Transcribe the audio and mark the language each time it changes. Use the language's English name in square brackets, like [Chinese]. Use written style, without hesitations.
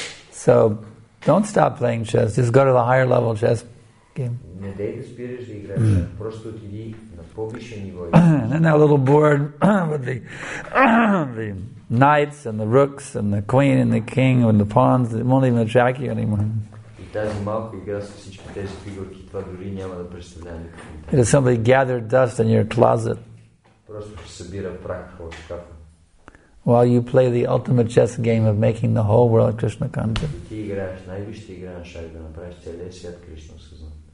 [English] So, don't stop playing chess, just go to the higher level chess game. [Bulgarian] Не дей да спираш да играеш, просто отиди на по-висше ниво. [English] And then a little bored with the, the knights and the rooks and the queen and the king and the pawns, it won't even attract you anymore. [Bulgarian] И тази малка игра с всички тези фигурки, това дори няма да представлява никакъв интерес. [English] It is simply gathered dust in your closet. [Bulgarian] Просто се събира прах в шкафа. [English] While you play the ultimate chess game of making the whole world Krishna conscious. [Bulgarian] Ти играеш най-висшата игра на шах, да направиш целия свят Кришна съзнан.